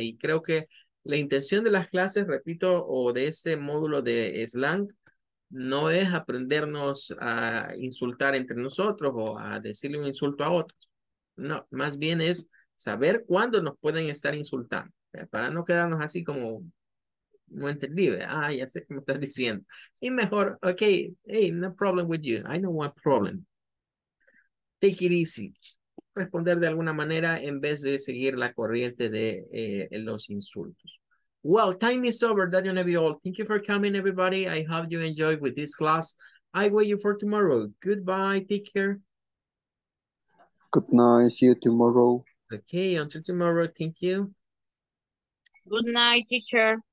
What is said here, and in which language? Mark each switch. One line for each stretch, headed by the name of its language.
Spanish: Y creo que la intención de las clases, repito, o de ese módulo de slang, no es aprendernos a insultar entre nosotros o a decirle un insulto a otros. No, más bien es saber cuándo nos pueden estar insultando, para no quedarnos así como no entendí, ah, ya sé cómo estás diciendo. Y mejor,
English: ok, hey, no problem with you, I know what problem. Take it easy.
Spanish: Responder de alguna manera en vez de seguir la corriente de los insultos.
English: Well, time is over, that you never be all. Thank you for coming, everybody. I hope you enjoy with this class. I wait you for tomorrow. Goodbye, take care. Good night, see you tomorrow. Okay, until tomorrow, thank you. Good night, teacher.